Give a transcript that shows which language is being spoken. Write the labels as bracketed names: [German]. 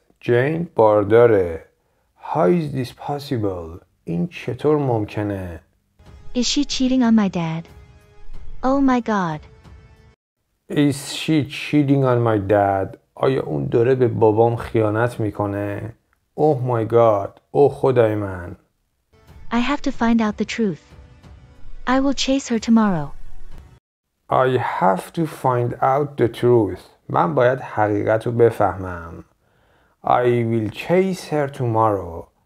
[Persian] Jane بارداره. [English] How is this possible? [Persian] این چطور ممکنه؟ [English] Is she cheating on my dad? Oh my god. Is she cheating on my dad? [Persian] آیا اون داره به بابام خیانت میکنه؟ [English] Oh my god. [Persian] Oh خدای من. [English] I have to find out the truth. I will chase her tomorrow. I have to find out the truth. [Persian] من باید حقیقت رو بفهمم. [English] I will chase her tomorrow.